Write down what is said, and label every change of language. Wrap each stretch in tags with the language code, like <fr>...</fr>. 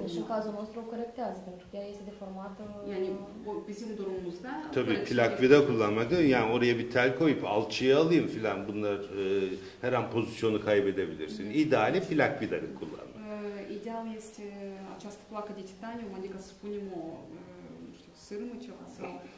<ro>Bine, și în cazul nostru o corectează, pentru că ea este deformată.</ro> <tr>Yani bizim durumumuzda... Tabii plak vida kullanmak, yani oraya bir tel koyup alçıya alayım filan, bunlar her an pozisyonu kaybedebilirsin. İdeali plak vidayı kullanmak.</tr> <ro>İdeal este această placă de titaniu, adică să punem o, nu știu, sârmă ceva sau...</ro>